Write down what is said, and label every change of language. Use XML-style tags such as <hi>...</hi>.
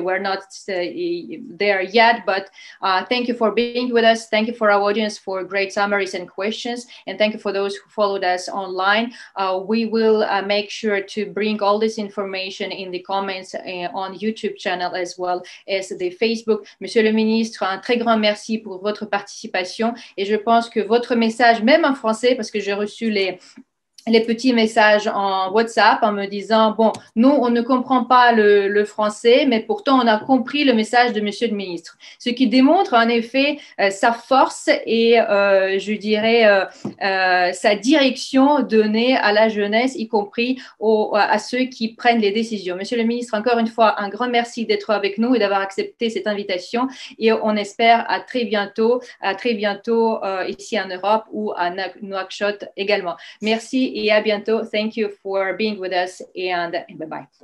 <en>We're not there yet, but thank you for being with us. Thank you for our audience for great summaries and questions, and thank you for those who followed us online. We will make sure to bring all this information in the comments on YouTube channel as well as the Facebook.</en> <fr>Monsieur le ministre, un très grand merci pour votre participation, et je pense que votre message, même en français, parce que j'ai reçu les petits messages en WhatsApp en me disant, bon, nous, on ne comprend pas le français, mais pourtant, on a compris le message de Monsieur le ministre. Ce qui démontre, en effet, sa force et, sa direction donnée à la jeunesse, y compris à ceux qui prennent les décisions. Monsieur le ministre, encore une fois, un grand merci d'être avec nous et d'avoir accepté cette invitation. Et on espère à très bientôt ici en Europe ou à Nouakchott également. Merci. Et à bientôt.</fr> <en>Thank you for being with us and bye-bye.</en>